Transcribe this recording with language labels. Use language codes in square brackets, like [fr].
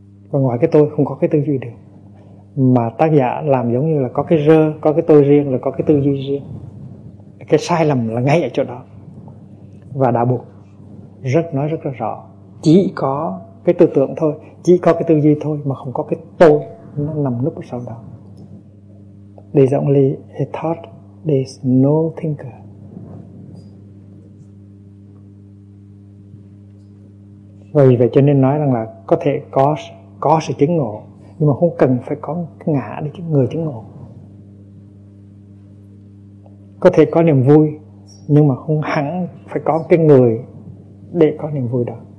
[vi] Và ngoài cái tôi không có cái tư duy được. Mà tác giả làm giống như là có cái rơ, có cái tôi riêng, rồi có cái tư duy riêng. Cái sai lầm là ngay ở chỗ đó. Và đạo buộc rất nói rất là rõ. Chỉ có cái tư tưởng thôi, chỉ có cái tư duy thôi, mà không có cái tôi nó nằm núp ở sau đó. [en] There is only a thought, there is no thinker. [vi] Và vì vậy cho nên nói rằng là có thể có sự chứng ngộ, nhưng mà không cần phải có ngã để người chứng ngộ. Có thể có niềm vui, nhưng mà không hẳn phải có cái người để có niềm vui đó.